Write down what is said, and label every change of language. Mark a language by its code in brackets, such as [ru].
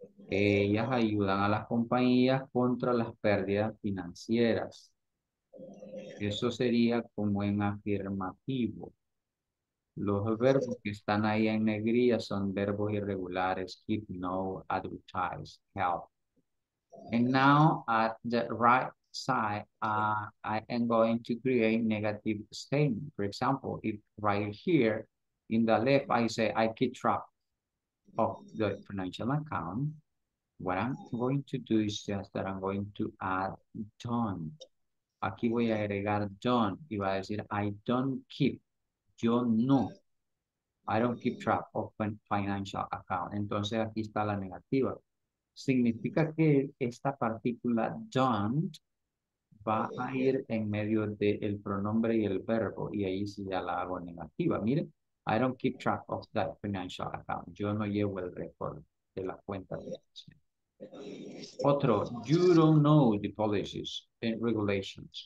[es] Ellas ayudan a las compañías contra las pérdidas financieras. Eso sería como en afirmativo. Los verbos que están ahí en negrilla son verbos irregulares. [en] Keep, know, advertise, help. And now at the right side, I am going to create negative statement. For example, if right here in the left, I say I keep track of the financial account. What I'm going to do is just that I'm going to add don't. [es] Aquí voy a agregar don't. Y va a decir [en] I don't keep. [es] Yo no, [en] I don't keep track of my financial account. [es] Entonces aquí está la negativa. Significa que esta partícula don't va a ir en medio del pronombre y el verbo. Y ahí sí ya la hago negativa. Miren, [en] I don't keep track of that financial account. [es] Yo no llevo el récord de la cuenta. Otro, [en] you don't know the policies and regulations.